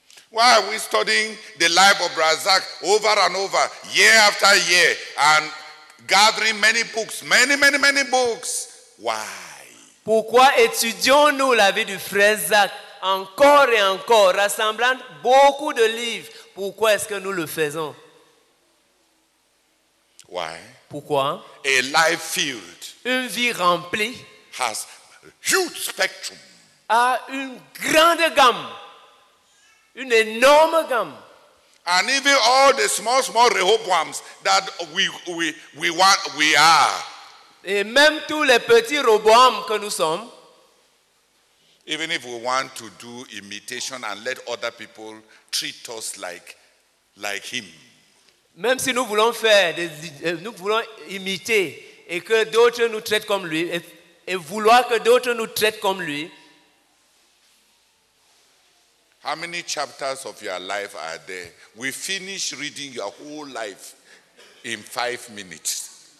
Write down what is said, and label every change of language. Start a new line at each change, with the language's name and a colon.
English: Why are we studying the life of Razak over and over, year after year, and gathering many books, many, many, many books? Why?
French: Pourquoi étudions-nous la vie du frère Zach encore et encore, rassemblant beaucoup de livres? Pourquoi est-ce que nous le faisons?
English: Why?
French: Pourquoi?
English: A life filled.
French: Une vie remplie.
English: Has huge spectrum.
French: A une grande gamme. Une énorme gamme.
English: And even all the small, small Rehoboams that we want, we are.
French: Et même tous les petits Rehoboams que nous sommes.
English: Even if we want to do imitation and let other people treat us like him.
French: Même si nous voulons faire, nous voulons imiter et que d'autres nous traitent comme lui, et vouloir que d'autres nous traitent comme lui.
English: How many chapters of your life are there? We finish reading your whole life in 5 minutes.